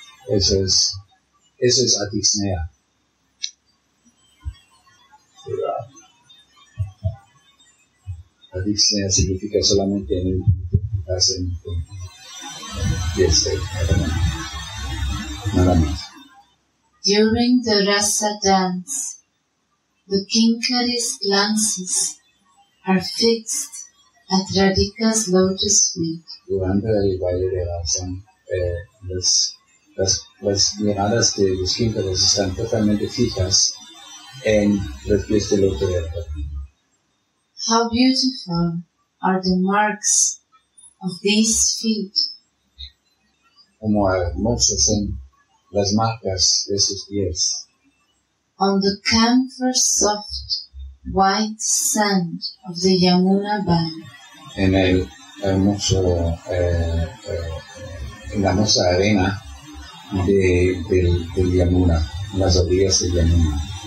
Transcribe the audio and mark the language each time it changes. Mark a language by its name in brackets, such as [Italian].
[Spanish] Eso es Adisnea. Adisnea significa solamente en el punto y este nada más. [English] During the Rasa dance, the Kinkaris glances are fixed at Radhika's lotus feet. [Spanish] Durante el baile de Rasa, las miradas de los Kinkaris están totalmente fijas en los pies del otro de Radha. [English] How beautiful are the marks of these feet. [Spanish] Como hermosas son las marcas de sus pies. [English] On the camphor soft white sand of the Yamuna bank. [Spanish] En el hermoso, en la hermosa arena del Yamuna, las orillas del Yamuna.